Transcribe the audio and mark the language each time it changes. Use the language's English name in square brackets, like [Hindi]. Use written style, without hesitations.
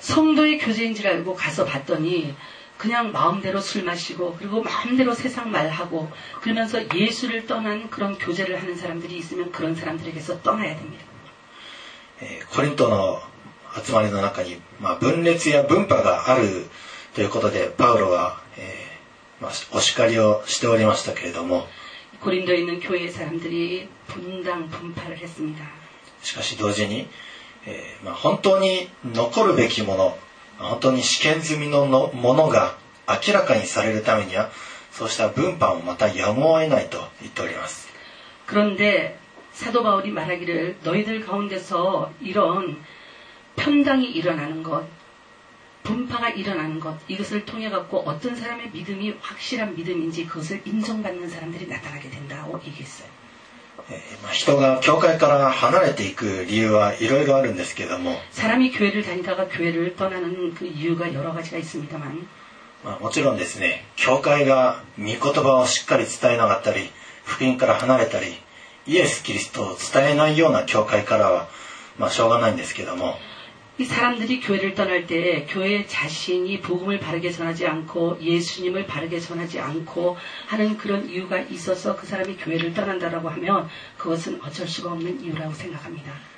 [Korean] 성도의교제인줄알고가서봤더니그냥마음대로술마시고그리고마음대로세상말하고그러면서예수를떠난그런교제를하는사람들이있으면그런사람들에게서떠나야됩니다。 [Japanese] コリントの集まりの中に、まあ、分裂や分派があるということでパウロは、まあ、お叱りをしておりましたけれども [Korean] 고린도에 있는 교회 사람들이 분당 분파를 했습니다. [Japanese] しかし同時に、まあ、本当に残るべきもの、本当に試験済みのものが明らかにされるためには、そうした分派をまたやむを得ないと言っております。 [Korean] 그런데사도바울이말하기를너희들가운데서이런편당이일어나는것분파가일어나는것이것을통해갖고어떤사람의믿음이확실한믿음인지그것을인정받는사람들이나타나게된다고얘기했어요 [Japanese] 人が教会から離れていく理由はいろいろあるんですけども [Korean] 사람이교회를다니다가교회를떠나는그이유가여러가지가있습니다만 [Japanese] もちろんですね教会が御言葉をしっかり伝えなかったり福音から離れたりイエス・キリストを伝えないような教会からは、まあ、しょうがないんですけども [Korean] 이사람들이교회를떠날때교회자신이복음을바르게전하지않고예수님을바르게전하지않고하는그런이유가있어서그사람이교회를떠난다라고하면그것은어쩔수가없는이유라고생각합니다